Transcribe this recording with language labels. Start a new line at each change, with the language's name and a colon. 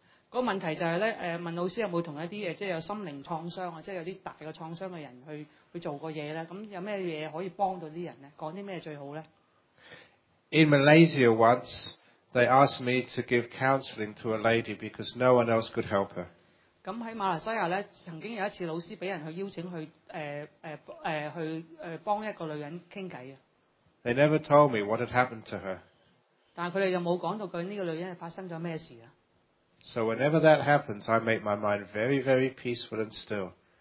Cantonese: 個問題就係咧，問老師有冇同一啲即係有心靈創傷啊，即係有啲大嘅創傷嘅人去做過嘢咧？咁有咩嘢可以幫到啲人咧？講啲咩最好咧
English: ？In Malaysia once, they asked me to give counselling to a lady because no one else could help her.
Cantonese: 咁喺馬來西亞咧，曾經有一次老師俾人去邀請去幫一個女人傾偈嘅。
English: They never told me what had happened to her.
Cantonese: 但係佢哋又冇講到佢呢個女人係發生咗咩事啊。So
English: whenever that happens, I make my mind very, very peaceful and still.